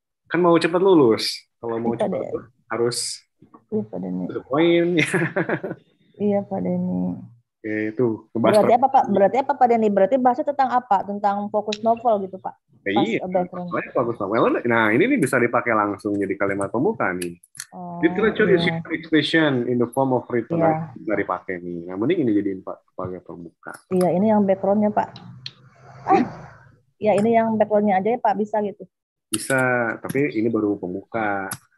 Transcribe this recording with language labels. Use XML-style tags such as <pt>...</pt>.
<id>Kan mau cepat lulus. Kalau mau cepat harus poin. Iya, Pak Deni. Oke, itu. Berarti apa, Pak? Berarti apa, Pak Deni? Berarti bahasa tentang apa? Tentang fokus novel gitu, Pak. Nah, ini bisa dipakai langsung jadi kalimat pembuka nih.</id> <en>Literature is an expression in the form of written writing.</en> <id>Bisa dipakai nih. Nah, mending ini jadiin sebagai pembuka. Iya, ini yang background-nya, Pak. Ya, ini yang background-nya aja ya, Pak, bisa gitu. Bisa, tapi ini baru pembuka.</id>